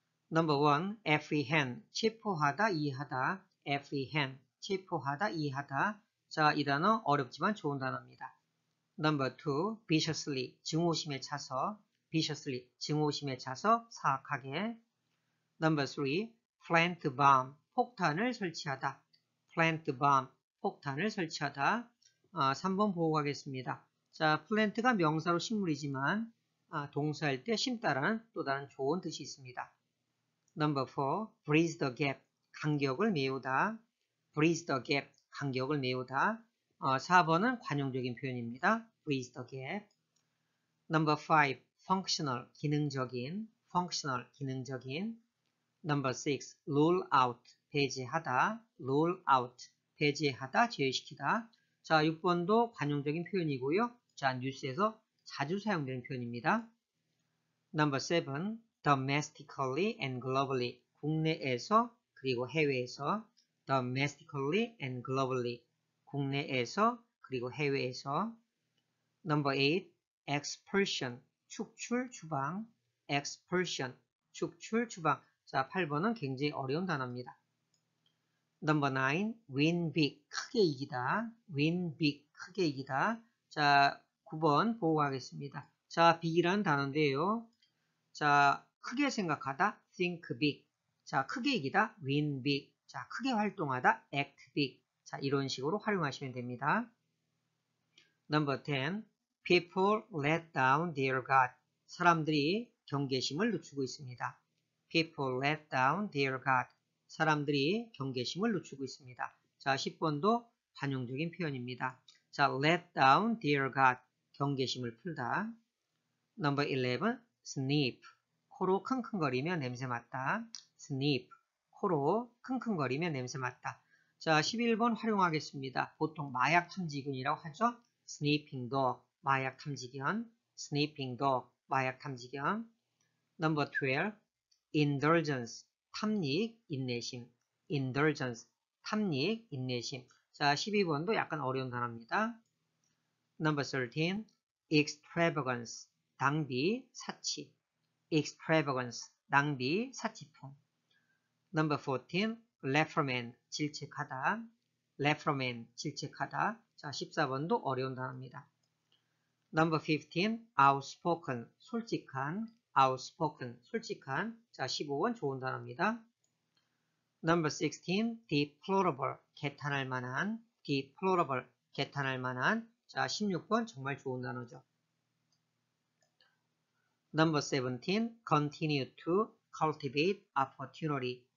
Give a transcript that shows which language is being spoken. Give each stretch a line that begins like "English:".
English: Number 1. Apprehend.
Korean: 체포하다, 이해하다.
English: Apprehend.
Korean: 체포하다, 이해하다. 자, 이 단어 어렵지만 좋은 단어입니다.
English: Number 2. Viciously.
Korean: 증오심에 차서.
English: Viciously.
Korean: 증오심에 차서 사악하게.
English: Number 3, plant bomb,
Korean: 폭탄을 설치하다.
English: plant bomb,
Korean: 폭탄을 설치하다. 3번 보고 가겠습니다. 자, plant가 명사로 식물이지만, 동사할 때 심다라는 또 다른 좋은 뜻이 있습니다.
English: Number 4, bridge the gap,
Korean: 간격을 메우다.
English: bridge the gap,
Korean: 간격을 메우다. 4번은 관용적인 표현입니다.
English: bridge the gap. Number 5, functional,
Korean: 기능적인.
English: functional,
Korean: 기능적인.
English: Number 6, rule out, 배제하다, rule out,
Korean: 배제하다, 제외시키다. 자, 6번도 관용적인 표현이고요. 자, 뉴스에서 자주 사용되는 표현입니다.
English: Number 7, domestically and globally,
Korean: 국내에서 그리고 해외에서,
English: domestically and globally, 국내에서 그리고 해외에서. Number 8, expulsion,
Korean: 축출, 추방,
English: expulsion, 축출, 추방.
Korean: 자, 8번은 굉장히 어려운 단어입니다.
English: Number 9, win big,
Korean: 크게 이기다.
English: win big,
Korean: 크게 이기다. 자, 9번 보고 가겠습니다. 자, big이라는 단어인데요. 자, 크게 생각하다,
English: think big.
Korean: 자, 크게 이기다,
English: win big.
Korean: 자, 크게 활동하다,
English: act big.
Korean: 자, 이런 식으로 활용하시면 됩니다.
English: Number 10, people let down their guard.
Korean: 사람들이 경계심을 늦추고 있습니다.
English: People let down their guard.
Korean: 사람들이 경계심을 늦추고 있습니다. 자, 10번도 관용적인 표현입니다.
English: 자, let down their guard.
Korean: 경계심을 풀다.
English: Number 11. Sniff.
Korean: 코로 킁킁거리며 냄새 맡다.
English: Sniff.
Korean: 코로 킁킁거리며 냄새 맡다. 자, 11번 활용하겠습니다. 보통 마약 탐지견이라고 하죠.
English: Sniffing dog.
Korean: 마약 탐지견.
English: Sniffing dog.
Korean: 마약 탐지견.
English: Number 12. indulgence,
Korean: 탐닉, 인내심.
English: indulgence, 탐닉, 인내심.
Korean: 자, 12번도 약간 어려운 단어입니다.
English: Number 13, extravagance,
Korean: 낭비, 사치.
English: extravagance,
Korean: 낭비, 사치품.
English: Number 14, reprimand,
Korean: 질책하다.
English: reprimand,
Korean: 질책하다. 자, 14번도 어려운 단어입니다.
English: Number 15, outspoken,
Korean: 솔직한.
English: outspoken,
Korean: 솔직한. 자, 15번 좋은 단어입니다.
English: Number 16, deplorable,
Korean: 개탄할 만한.
English: deplorable,
Korean: 개탄할 만한. 자, 16번 정말 좋은 단어죠.
English: Number 17, continue to cultivate opportunity.